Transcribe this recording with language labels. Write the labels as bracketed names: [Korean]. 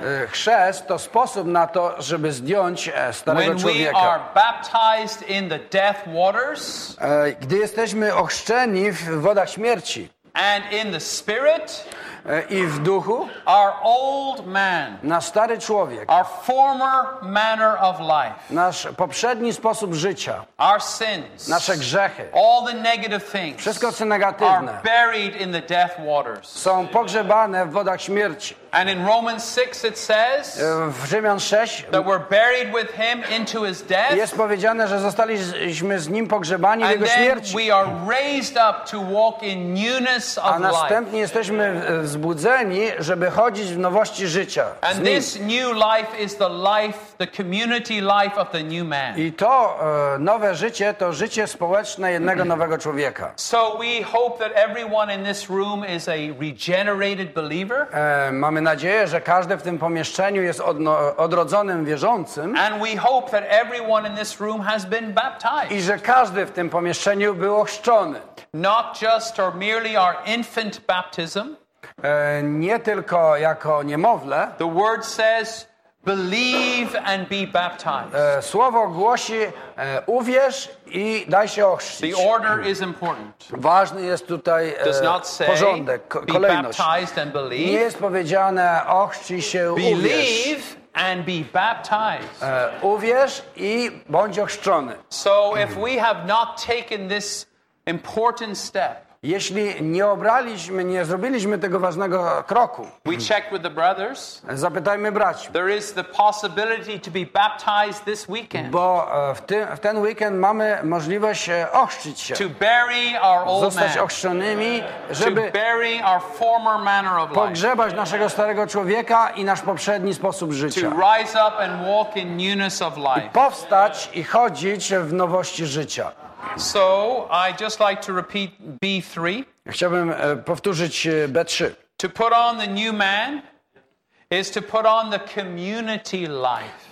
[Polish] Chrzest to sposób na to, żeby zdjąć starego człowieka. [English] When we are baptized in the death waters, [Polish] gdy jesteśmy ochrzczeni w wodach śmierci, [English] and in the spirit, [Polish] i w duchu, [English] our old man, [Polish] nasz stary człowiek, [English] our former manner of life, [Polish] nasz poprzedni sposób życia, [English] our sins, [Polish] nasze grzechy, [English] all the negative things, [Polish] wszystko co negatywne, [English] are buried in the death waters, [Polish] są pogrzebane w wodach śmierci. [English] And in Romans 6 it says, [Polish] w Rzymian 6, [English] that we're buried with him into his death, [Polish] jest powiedziane, że zostaliśmy z nim pogrzebani w jego śmierci. [English] And then we are raised up to walk in newness of life. [Polish] A następnie jesteśmy wzbudzeni, żeby chodzić w nowości życia. [English] And this new life is the life, the community life of the new man. [Polish] I to nowe życie to życie społeczne jednego nowego człowieka. [English] So we hope that everyone in this room is a regenerated believer. [Polish] Mamy nadzieję, że każdy w tym pomieszczeniu jest odrodzonym wierzącym. [English] And we hope that everyone in this room has been baptized. [Polish] I że każdy w tym pomieszczeniu był ochrzczony. [English] Not just or merely our infant baptism. [Polish] Nie tylko jako niemowlę. [English] The word says, believe and be baptized. [Polish] Słowo głosi, uwierz i daj się ochrzcić. [English] The order is important. [Polish] Ważny jest tutaj porządek, kolejność. [English] Be baptized and believe. [Polish] Nie jest powiedziane ochrzcij się, uwierz. [English] Believe and be baptized. [Polish] Uwierz i bądź ochrzczony. [English] So if we have not taken this important step, [Polish] jeśli nie obraliśmy, nie zrobiliśmy tego ważnego kroku, [English] we check with the brothers, [Polish] zapytajmy braci. [English] There is the possibility to be baptized this weekend. [Polish] Bo w ten weekend mamy możliwość ochrzcić się. [English] To bury our old man. [Polish] Zostać ochrzczonymi, żeby [English] to bury our former manner of life. [Polish] Pogrzebać naszego starego człowieka i nasz poprzedni sposób życia. [English] To rise up and walk in newness of life. [Polish] I powstać i chodzić w nowości życia. [English] So, I just like to repeat B3. [Polish] Chciałbym powtórzyć B3. [English] To put on the new man is to put on the community life.